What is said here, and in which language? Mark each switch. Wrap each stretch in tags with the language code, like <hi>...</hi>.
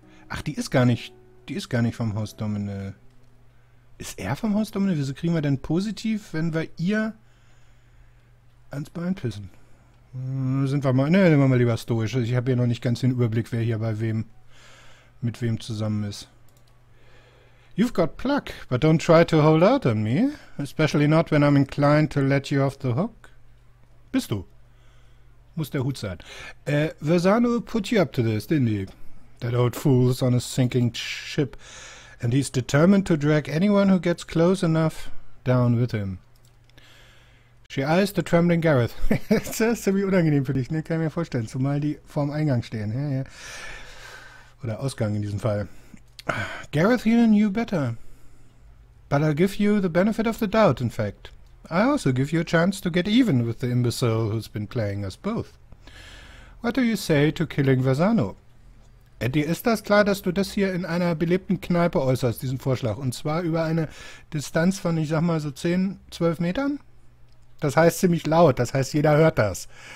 <de>Ach, die ist gar nicht vom Haus Domino. Ist er vom Haus Domino? Wieso kriegen wir denn positiv, wenn wir ihr ans Bein pissen? Nehmen wir mal lieber stoisch. Ich habe hier noch nicht ganz den Überblick, wer hier bei wem, mit wem zusammen ist.</de> <en>You've got pluck, but don't try to hold out on me. Especially not when I'm inclined to let you off the hook.</en> <de>Bist du? Muss der Hut sein.</de> <en>Versano put you up to this, didn't he? That old fool's on a sinking ship. And he's determined to drag anyone who gets close enough down with him. She eyes the trembling Gareth.</en> <de>Das ist ziemlich unangenehm für dich, ne? Kann ich mir vorstellen. Zumal die vorm Eingang stehen. Ja, ja. Oder Ausgang in diesem Fall.</de> <en>Gareth here knew better. But I'll give you the benefit of the doubt, in fact. I also give you a chance to get even with the imbecile who's been playing us both. What do you say to killing Versano?</en> <de>Eddie, ist das klar, dass du das hier in einer belebten Kneipe äußerst, diesen Vorschlag? Und zwar über eine Distanz von, ich sag mal, so 10, 12 Metern? Das heißt ziemlich laut, das heißt, jeder hört das.</de>